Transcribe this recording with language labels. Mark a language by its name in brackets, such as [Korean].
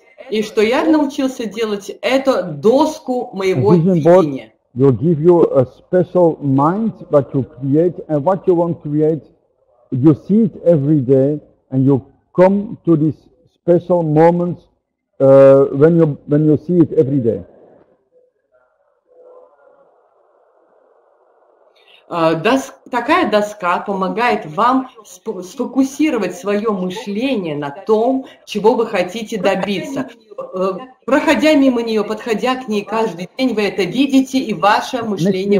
[Russian] И что я научился делать, это доску моего видения. [English] Vision board will give you a special mind that you create, and what you want to create, you see it every day, and you come to this special moment when you see it every day. [Russian] Такая доска помогает вам сфокусировать свое мышление на том, чего вы хотите добиться. Проходя мимо нее, подходя к ней каждый день, вы это видите, и ваше мышление